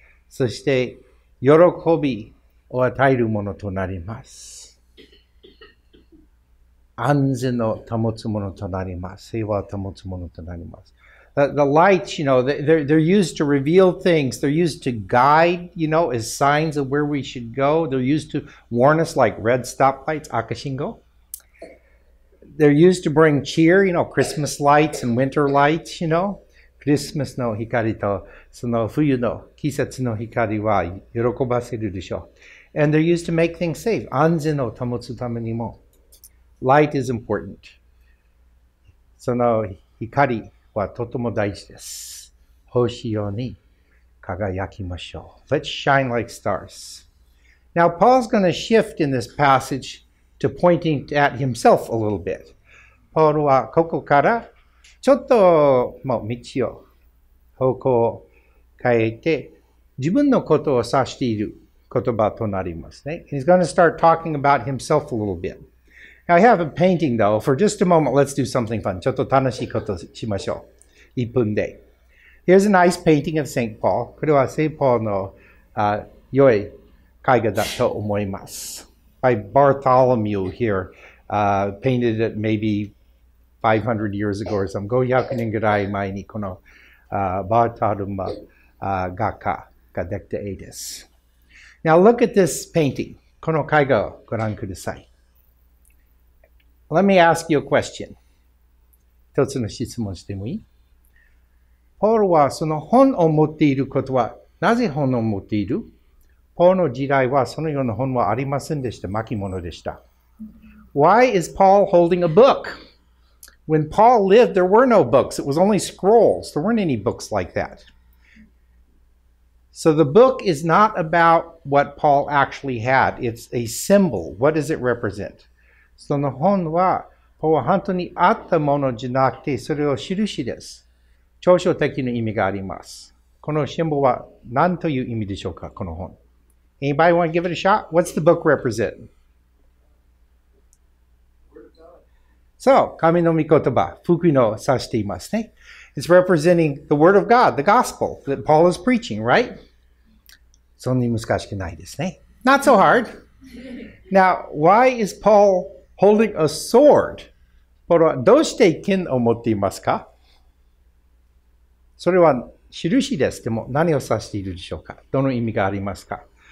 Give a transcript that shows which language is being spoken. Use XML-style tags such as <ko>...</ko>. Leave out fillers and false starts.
<ja>そして喜びを与えるものとなります。安全の保つものとなります。平和を保つものとなります。</ja> <en>The lights, you know, they're used to reveal things. They're used to guide, you know, as signs of where we should go. They're used to warn us like red stoplights,</en> <ja>赤信号.</ja> <en>They're used to bring cheer, you know, Christmas lights and winter lights, you know.</en> <ja>Christmas の光とその冬の季節の光は喜ばせるでしょう。</ja> <en>And they're used to make things safe.</en> <ja>安全を保つためにも。</ja> <en>Light is important.</en> <ja>その光はとても大事です。星ように輝きましょう。</ja> <en>Let's shine like stars. Now Paul's going to shift in this passage to pointing at himself a little bit.</en> <ja>Paul はここからちょっともう道を方向を変えて自分のことを指している言葉となりますね。</ja> <en>He's going to start talking about himself a little bit. I have a painting though. For just a moment, let's do something fun.</en> <ja>ちょっと楽しいことしましょう。一分で。</ja> <en>Here's a nice painting of St. Paul.</en> <ja>これは聖パウロの良い絵画だと思います。</ja> <en>By Bartholomew here painted it maybe 500 years ago or something.</en> <ja>500年ぐらい前にこの、バータルマ、画家ができた絵です。</ja> <en>Now look at this painting.</en> <ja>この絵画をご覧ください。</ja> <en>Let me ask you a question.</en> <ja>一つの質問してもいい?ポールはその本を持っていることは、なぜ本を持っている? ポールの時代はそのような本はありませんでした。巻物でした。</ja> <en>Why is Paul holding a book? When Paul lived, there were no books. It was only scrolls. There weren't any books like that. So the book is not about what Paul actually had. It's a symbol. What does it represent?</en> <ja>その本は、ポールは本当にあったものじゃなくて、それを印です。抽象的な意味があります。このシンボルは何という意味でしょうか、この本。</ja> <en>Anybody want to give it a shot? What's the book represent?</en> <ja>So, 神の御言葉、福音を指していますね。</ja> <en>It's representing the word of God, the gospel that Paul is preaching, right?</en> <ja>そんなに難しくないですね。</ja> <en>Not so hard. Now, why is Paul holding a sword?</en> <ja>ポールはどうして剣を持っていますか?それは印です。でも何を指しているでしょうか?どの意味がありますか?</ja>